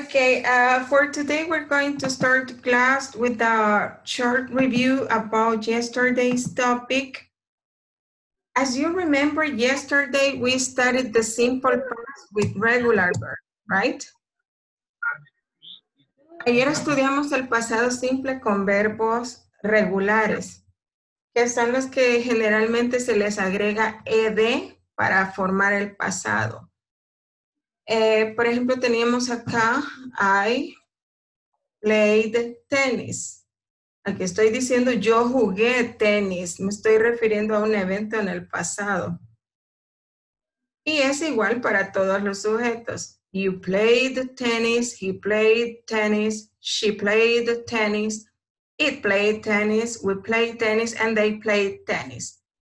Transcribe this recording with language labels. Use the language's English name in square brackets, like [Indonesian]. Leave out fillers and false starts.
[English] Okay, for today we're going to start class with a short review about yesterday's topic. As you remember, yesterday we studied the simple past with regular verb, right? [Spanish] Ayer estudiamos el pasado simple con verbos regulares, que son los que generalmente se les agrega ed para formar el pasado. Por ejemplo, teníamos acá, [English] I played tennis. [Spanish] Aquí estoy diciendo yo jugué tenis. Me estoy refiriendo a un evento en el pasado. Y es igual para todos los sujetos. [English] You played tennis, he played tennis, she played tennis. It played tennis, we played tennis, and they played tennis.